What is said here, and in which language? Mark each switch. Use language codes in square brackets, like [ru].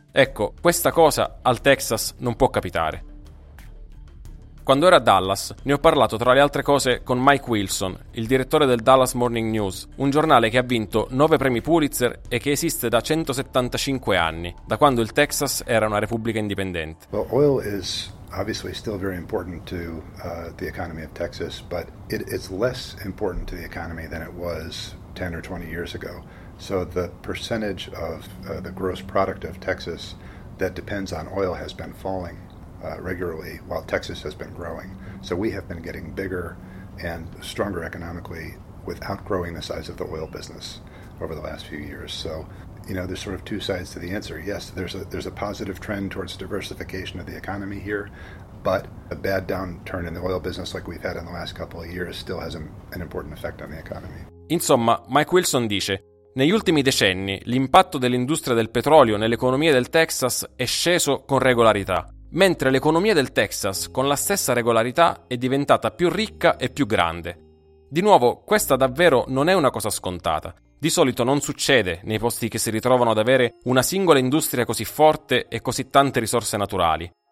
[it] Ecco, questa cosa al Texas non può capitare. Quando ero a Dallas, ne ho parlato tra le altre cose con Mike Wilson, il direttore del Dallas Morning News, un giornale che ha vinto 9 premi Pulitzer e che esiste da 175 anni, da quando il Texas era una repubblica indipendente. [en] Well, oil is obviously still very important to the economy of Texas, but it's less important to the economy than it was 10 or 20 years ago. So the percentage of the gross product of Texas that depends on oil has been falling. Regularly while Texas has been growing. So we have been getting bigger and stronger economically without growing the size of the oil business over the last few years. So, you know, there's sort of two sides to the answer. Yes, there's a positive trend towards diversification of the economy here, but a bad downturn in the oil business like we've had in the last couple of years still has an important effect on the economy. [it] Insomma, Mike Wilson dice: negli ultimi decenni l'impatto dell'industria del petrolio nell'economia del Texas è sceso con regolarità. Mentre l'economia del Texas, con la stessa regolarità, è diventata più ricca e più grande. Di nuovo, questa davvero non è una cosa scontata. Di solito non succede nei posti che si ritrovano ad avere una singola industria così forte e così tante risorse naturali.